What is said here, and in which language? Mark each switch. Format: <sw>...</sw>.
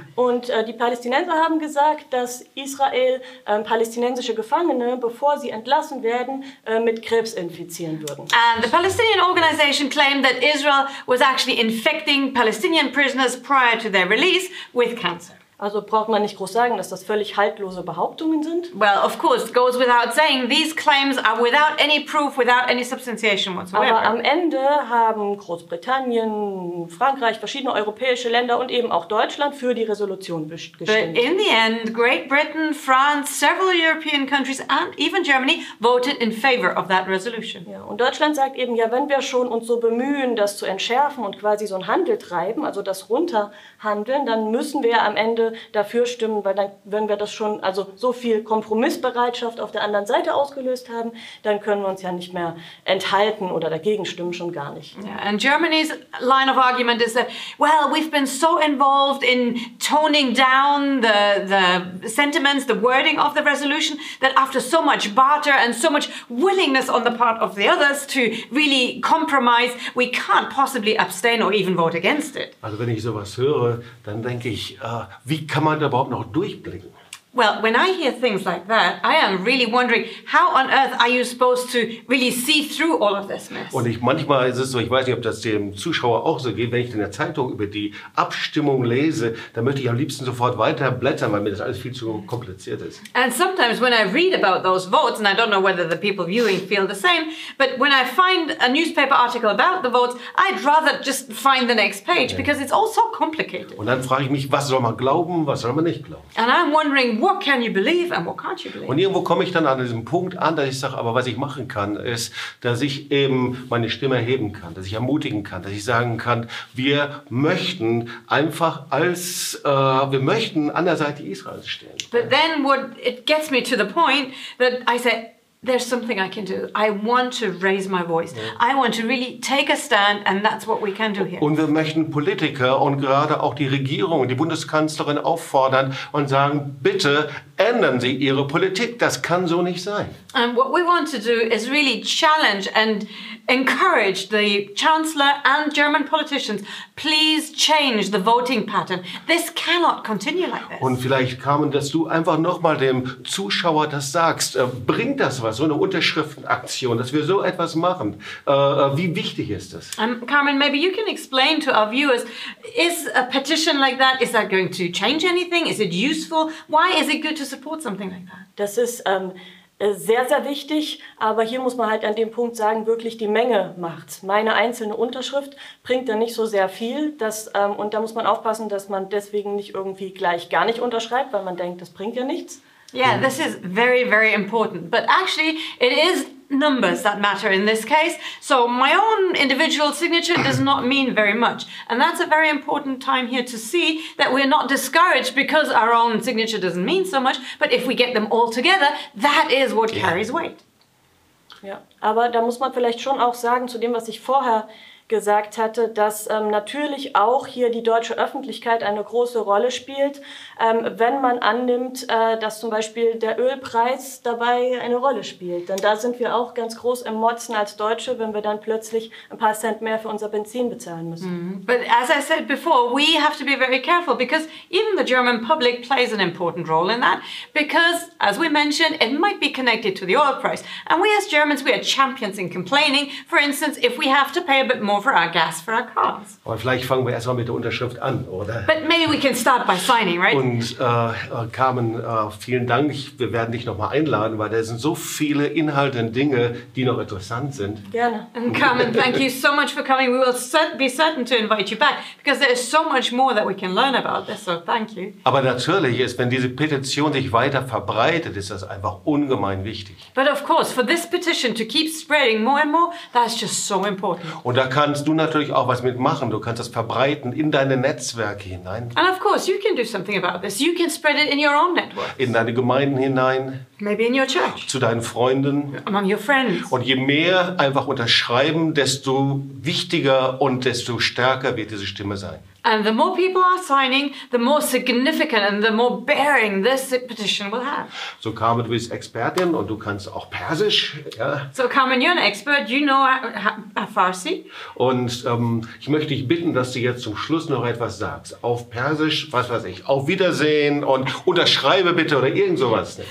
<de>Mhm. Und die Palästinenser haben gesagt, dass Israel palästinensische Gefangene, bevor sie entlassen werden, mit Krebs infizieren würden.</de> <en>And the Palestinian organization claimed that Israel was actually infecting Palestinian prisoners prior to their release with cancer.</en> <de>Also braucht man nicht groß sagen, dass das völlig haltlose Behauptungen sind.</de> <en>Well, of course, goes without saying, these claims are without any proof, without any substantiation whatsoever.</en> <de>Aber am Ende haben Großbritannien, Frankreich, verschiedene europäische Länder und eben auch Deutschland für die Resolution gestimmt.</de> <en>But in the end, Great Britain, France, several European countries and even Germany voted in favor of that resolution.</en> <de>Ja, und Deutschland sagt eben, ja, wenn wir schon uns so bemühen, das zu entschärfen und quasi so einen Handel treiben, also das runterhandeln, dann müssen wir am Ende dafür stimmen, weil dann, wenn wir das schon also so viel Kompromissbereitschaft auf der anderen Seite ausgelöst haben, dann können wir uns ja nicht mehr enthalten oder dagegen stimmen, schon gar nicht.</de> <en>Yeah, and Germany's line of argument is that, well, we've been so involved in toning down the sentiments, the wording of the resolution, that after so much barter and so much willingness on the part of the others to really compromise, we can't possibly abstain or even vote against it.</en> <de>Also wenn ich sowas höre, dann denke ich, wie kann man da überhaupt noch durchblicken?</de> <en>Well, when I hear things like that, I am really wondering, how on earth are you supposed to really see through all of this mess?</en> <de>Und manchmal ist es so, ich weiß nicht, ob das dem Zuschauer auch so geht, wenn ich in der Zeitung über die Abstimmung lese, dann möchte ich am liebsten sofort weiter blättern, weil mir das alles viel zu kompliziert ist.</de> <en>And sometimes when I read about those votes, and I don't know whether the people viewing feel the same, but when I find a newspaper article about the votes, I'd rather just find the next page, because it's all so complicated.</en> <de>Und dann frage ich mich, was soll man glauben, was soll man nicht glauben?</de> <en>And I'm wondering, what can you believe and what can't you believe?</en> <de>Und irgendwo komme ich dann an diesem Punkt an, dass ich sage, aber was ich machen kann, ist, dass ich eben meine Stimme erheben kann, dass ich ermutigen kann, dass ich sagen kann, wir möchten einfach als, wir möchten an der Seite Israels stehen.</de> <en>But then what, it gets me to the point that I say, there's something I can do. I want to raise my voice. Yeah. I want to really take a stand and that's what we can do here.</en> <de>Und wir möchten Politiker und gerade auch die Regierung, die Bundeskanzlerin auffordern und sagen, bitte ändern Sie Ihre Politik. Das kann so nicht sein.</de> <en>And what we want to do is really challenge and encouraged the chancellor and German politicians, please change the voting pattern. This cannot continue like this.</en> <de>Und vielleicht, Carmen, dass du einfach nochmal dem Zuschauer das sagst. Bringt das was, so eine Unterschriftenaktion, dass wir so etwas machen? Wie wichtig ist das?</de> <en>Carmen, maybe you can explain to our viewers, is a petition like that, is that going to change anything? Is it useful? Why is it good to support something like that?</en> <de>Das ist sehr, sehr wichtig, aber hier muss man halt an dem Punkt sagen, wirklich die Menge macht's. Meine einzelne Unterschrift bringt da nicht so sehr viel. Und da muss man aufpassen, dass man deswegen nicht irgendwie gleich gar nicht unterschreibt, weil man denkt, das bringt ja nichts.</de> <en>Yeah, this is very, very important. But actually, it is numbers that matter in this case. So my own individual signature does not mean very much. And that's a very important time here to see that we're not discouraged because our own signature doesn't mean so much. But if we get them all together, that is what carries weight.</en> <de>Ja, aber da muss man vielleicht schon auch sagen, zu dem, was ich vorher gesagt hatte, dass natürlich auch hier die deutsche Öffentlichkeit eine große Rolle spielt, wenn man annimmt, dass zum Beispiel der Ölpreis dabei eine Rolle spielt. Denn da sind wir auch ganz groß im Motzen als Deutsche, wenn wir dann plötzlich ein paar Cent mehr für unser Benzin bezahlen müssen. Mm-hmm.</de> <en>But as I said before, we have to be very careful, because even the German public plays an important role in that, because, as we mentioned, it might be connected to the oil price. And we as Germans, we are champions in complaining. For instance, if we have to pay a bit more for our gas for our cars.</en> <de>Aber vielleicht fangen wir erstmal mit der Unterschrift an, oder?</de> <en>But maybe we can start by signing, right?</en> <de>Und Carmen, vielen Dank. Wir werden dich nochmal einladen, weil da sind so viele Inhalte und Dinge, die noch interessant sind. Gerne.</de> <en>And Carmen, thank you so much for coming. We will be certain to invite you back, because there is so much more that we can learn about this, so thank you.</en> <de>Aber natürlich ist, wenn diese Petition sich weiter verbreitet, ist das einfach ungemein wichtig.</de> <en>But of course, for this petition to keep spreading more and more, that's just so important.</en> <de>Und da kannst du natürlich auch was mitmachen. Du kannst das verbreiten in deine Netzwerke hinein.</de> <en>And of course, you can do something about this. You can spread it in your own networks.</en> <de>In deine Gemeinden hinein.</de> <en>Maybe in your church.</en> <de>Zu deinen Freunden.</de> <en>Among your friends.</en> <de>Und je mehr einfach unterschreiben, desto wichtiger und desto stärker wird diese Stimme sein.</de> <en>And the more people are signing, the more significant and the more bearing this petition will have.</en> <de>So Carmen, du bist Expertin und du kannst auch Persisch, ja?</de> <en>So Carmen, you're an expert, you know Farsi.</en> <de>Und ich möchte dich bitten, dass du jetzt zum Schluss noch etwas sagst. Auf Persisch, was weiß ich, auf Wiedersehen und unterschreibe bitte oder irgend sowas.</de>